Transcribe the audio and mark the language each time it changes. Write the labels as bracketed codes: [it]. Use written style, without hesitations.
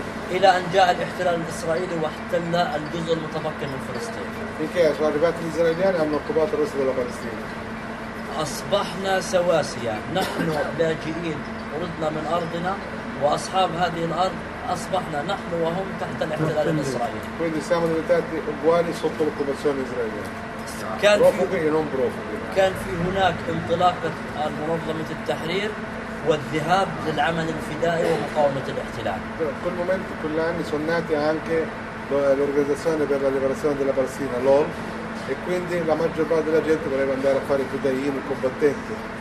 [ar] إلى أن جاء الاحتلال الإسرائيلي واحتل الجزء المتمكن من فلسطين. [it] Perché sono arrivati gli israeliani e hanno occupato il resto della Palestina. [ar] أصبحنا سواسية نحن لاجئين ردنا من أرضنا وأصحاب هذه الأرض أصبحنا نحن وهم تحت الاحتلال الإسرائيلي. [it] Quindi siamo diventati uguali sotto l'occupazione israeliana. Profughi e non profughi. [ar] كان في هناك انطلاقة منظمة التحرير والذهاب للعمل الفدائي ومقاومة الاحتلال. كل [it] momento, كل anni sono nati anche l'organizzazione per la liberazione della Palestina, l'OL, e quindi la maggior parte della gente voleva andare a fare i fedaini, i combattenti.